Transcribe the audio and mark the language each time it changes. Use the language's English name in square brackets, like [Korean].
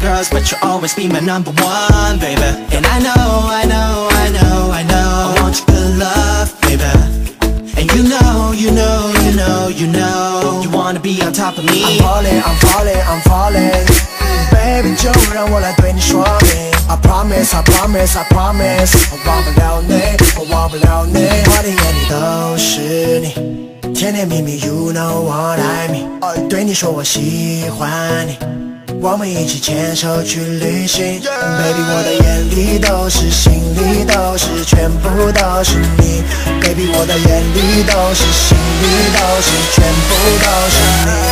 [English] But you always be my number one, baby. And I know, I know, I know, I know I want your good love, baby. And you know, you know, you know, you know you wanna be on top of me. I'm falling, I'm falling, I'm falling. [Chinese] Baby, 就让我来对你说明。 I promise, I promise, I promise 我忘不了你，我忘不了你。我的眼里都是你，甜甜蜜蜜 You know what I mean 对你说我喜欢你，我们一起牵手去旅行、Baby 我的眼里都是，心里都是，全部都是你， Baby 我的眼里都是，心里都是，全部都是你。